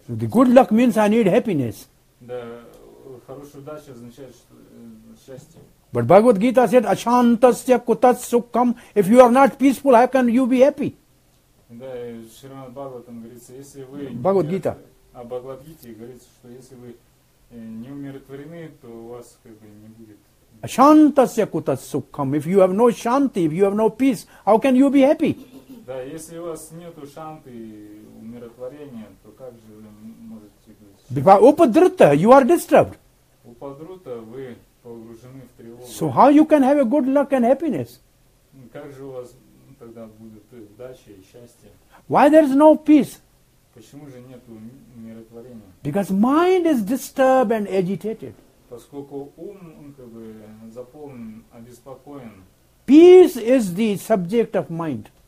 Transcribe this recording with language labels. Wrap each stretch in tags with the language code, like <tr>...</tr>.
<en>the good luck means I need happiness.</en> <ru>Да, хорошая удача означает счастье.</ru> <en>But Bhagavad Gita said,</en> <sa>ashantasya kutas sukham.</sa> <en>If you are not peaceful, how can you be happy?</en> <ru>Да, Шримад Бхагаватам говорится, если вы... Бхагавад Гита. А Бхагавад Гите говорится, что если вы не умиротворены, то у вас как бы не будет...</ru> <sa>Ashantasya kutas sukham.</sa> <en>If you have no shanti, if you have no peace, how can you be happy?</en> <ru>Да, если у вас нету шанты умиротворения, то как же вы можете быть?</ru> <en>Упадрута, you are disturbed.</en> <ru>Упадрута, вы погружены в тревогу.</ru> <en>So how you can have a good luck and happiness?</en> <ru>Как же у вас тогда будет удача и счастье?</ru> <en>Why there is no peace?</en> <ru>Почему же нету умиротворения?</ru> <en>Because mind is disturbed and agitated.</en> <ru>Поскольку ум, он как бы заполнен, обеспокоен.</ru> <en>Peace is the subject of mind.</en>